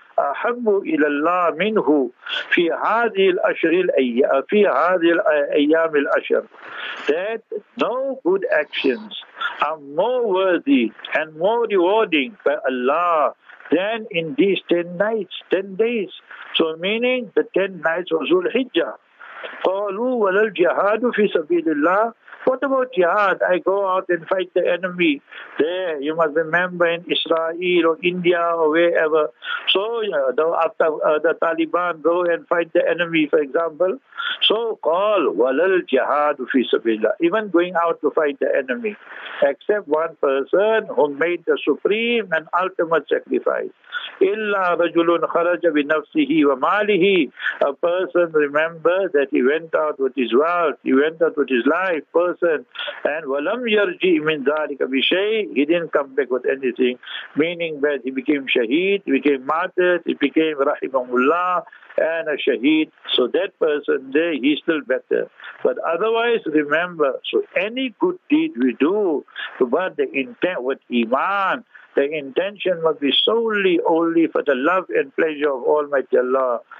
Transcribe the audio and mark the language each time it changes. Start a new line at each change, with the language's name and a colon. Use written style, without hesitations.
Arabic: أحب إلى الله منه في هذه الأشهر في هذه الأيام الأشهر.
English: That no good actions are more worthy and more rewarding by Allah than in these 10 nights, 10 days. So meaning the 10 nights of Zulhijjah.
Arabic: قالوا ولا الجهاد في سبيل الله.
English: What about jihad? I go out and fight the enemy. There, you must remember in Israel or India or wherever. So after the Taliban go and fight the enemy, for example.
Arabic: So قال ولا الجهاد في سبيل الله.
English: Even going out to fight the enemy. Except one person who made the supreme and ultimate sacrifice.
Arabic: إِلَّا رَجُلٌ خَرَجَ بِنَفْسِهِ وَمَالِهِ.
English: A person remember that he went out with his wealth, he went out with his life, person.
Arabic: And وَلَمْ يَرْجِ مِنْ ذَلِكَ بِشَيْءٍ.
English: He didn't come back with anything. Meaning that he became shaheed, he became martyred, he became rahimahullah and a shaheed. So that person there, he's still better. But otherwise, remember, so any good deed we do, but the intent with iman, the intention must be solely, only for the love and pleasure of Almighty Allah.